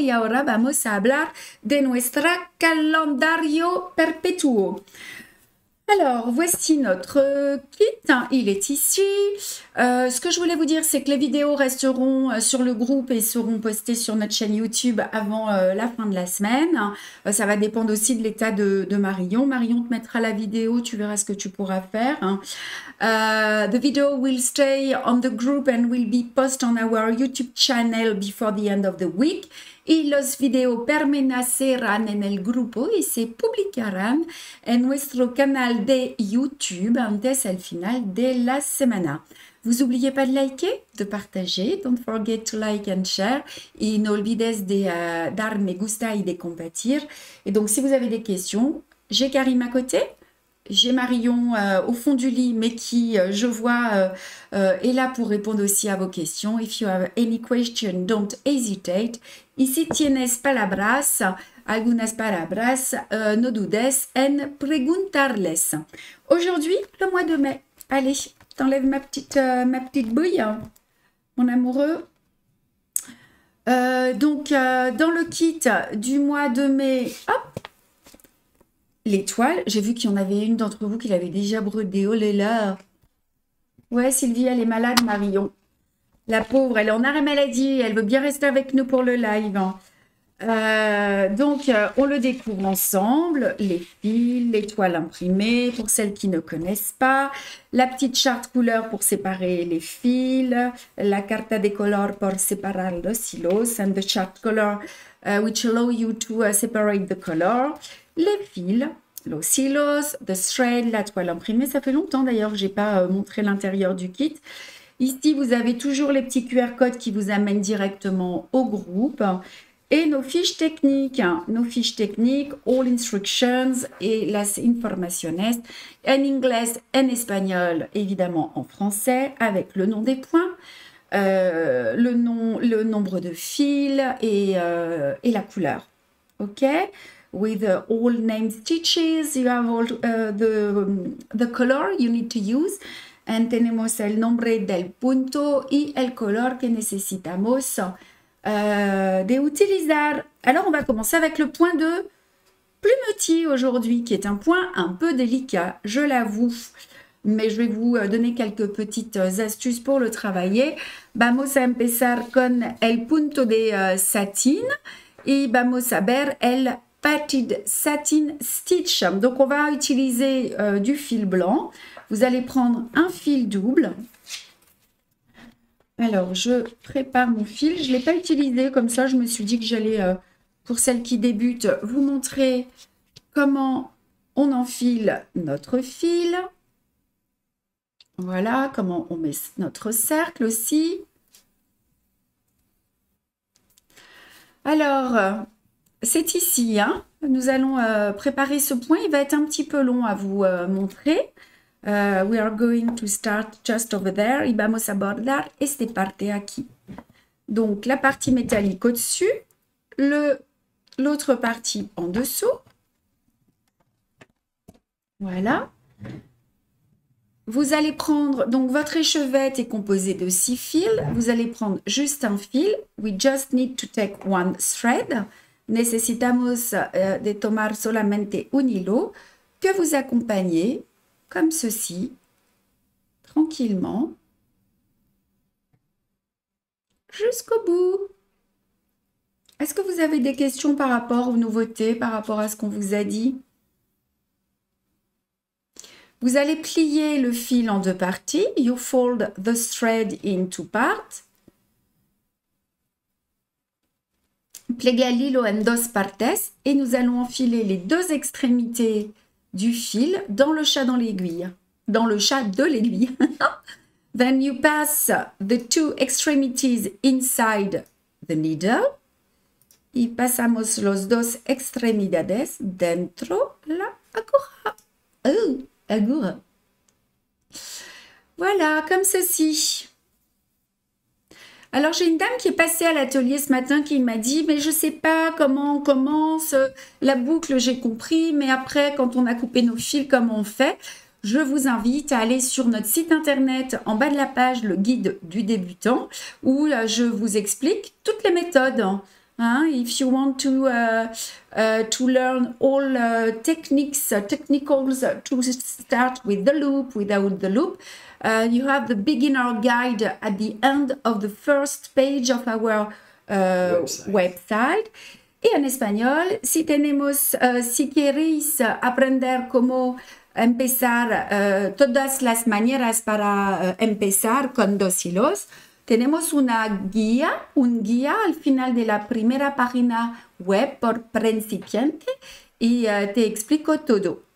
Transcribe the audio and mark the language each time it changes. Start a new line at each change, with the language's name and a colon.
Spanish: Y ahora vamos a hablar de nuestro calendario perpetuo.
French: Alors, voici notre kit. Il est ici. Ce que je voulais vous dire, c'est que les vidéos resteront sur le groupe et seront postées sur notre chaîne YouTube avant la fin de la semaine. Ça va dépendre aussi de l'état de Marion. Marion te mettra la vidéo, tu verras ce que tu pourras faire.
English: The video will stay on the group and will be posted on our YouTube channel before the end of the week.
Spanish: Y los videos permanecerán en el grupo y se publicarán en nuestro canal de YouTube antes del final de la semana.
French: Vous oubliez pas de liker, de partager.
English: Don't forget to like and share.
Spanish: Y no olvides de dar me gusta y de compartir.
French: Et donc, si vous avez des questions, j'ai Karim à côté. J'ai Marion au fond du lit, mais qui, je vois, est là pour répondre aussi à vos questions.
English: If you have any question, don't hesitate.
Spanish: Ici, tienes palabras, algunas palabras, no dudes, en preguntarles.
French: Aujourd'hui, le mois de mai. Allez, t'enlèves ma petite bouille, hein, mon amoureux. Dans le kit du mois de mai, hop, l'étoile. J'ai vu qu'il y en avait une d'entre vous qui l'avait déjà brodée. Oh là là. Ouais, Sylvie, elle est malade, Marion. La pauvre, elle est en arrêt maladie. Elle veut bien rester avec nous pour le live. On le découvre ensemble. Les fils, l'étoile imprimée pour celles qui ne connaissent pas. La petite charte couleur pour séparer les fils.
Spanish: La carta de color
French: pour séparer
Spanish: los hilos.
English: And the chart color which allow you to separate the color.
French: Les fils,
Spanish: los hilos,
English: the thread,
French: la toile imprimée. Ça fait longtemps d'ailleurs que je n'ai pas montré l'intérieur du kit. Ici, vous avez toujours les petits QR codes qui vous amènent directement au groupe. Et nos fiches techniques. Hein. Nos fiches techniques,
English: all instructions
French: et
Spanish: las informaciones. En inglés,
French: en espagnol, évidemment en français, avec le nom des points, le nom, le nombre de fils et la couleur. OK?
English: With all name stitches, you have all the color you need to use.
Spanish: And tenemos el nombre del punto y el color que necesitamos de utilizar.
French: Alors, on va commencer avec le point de plumetier aujourd'hui, qui est un point un peu délicat, je l'avoue. Mais je vais vous donner quelques petites astuces pour le travailler.
Spanish: Vamos a empezar con el punto de satin y vamos a ver el Patted satin stitch.
French: Donc, on va utiliser du fil blanc. Vous allez prendre un fil double. Alors, je prépare mon fil. Je ne l'ai pas utilisé. Comme ça, je me suis dit que j'allais, pour celles qui débutent, vous montrer comment on enfile notre fil. Voilà, comment on met notre cercle aussi. Alors, c'est ici, hein. Nous allons préparer ce point. Il va être un petit peu long à vous montrer.
English: We are going to start just over there.
Spanish: Y vamos a bordar esta parte aquí.
French: Donc, la partie métallique au-dessus, l'autre partie en dessous. Voilà. Vous allez prendre, donc votre échevette est composée de 6 fils. Vous allez prendre juste un fil.
English: We just need to take one thread.
Spanish: Necesitamos de tomar solamente un hilo
French: que vous accompagnez comme ceci, tranquillement, jusqu'au bout. Est-ce que vous avez des questions par rapport aux nouveautés, par rapport à ce qu'on vous a dit? Vous allez plier le fil en deux parties.
English: You fold the thread in two parts.
Spanish: Plega l'hilo en dos partes
French: et nous allons enfiler les deux extrémités du fil dans le chat dans l'aiguille. Dans le chat de l'aiguille.
English: Then you pass the two extremities inside the needle.
Spanish: Y pasamos los dos extremidades dentro la aguja.
French: Oh, aguja. Voilà, comme ceci. Alors, j'ai une dame qui est passée à l'atelier ce matin qui m'a dit, mais je ne sais pas comment on commence la boucle, j'ai compris, mais après, quand on a coupé nos fils, comment on fait? Je vous invite à aller sur notre site internet en bas de la page, le guide du débutant, où je vous explique toutes les méthodes.
English: Hein, if you want to learn all techniques, technicals to start with the loop, without the loop, you have the beginner guide at the end of the first page of our website.
Spanish: Y en español, si tenemos, si queréis aprender cómo empezar todas las maneras para empezar con dos hilos, tenemos una guía, un guía al final de la primera página web por principiante y te explico todo.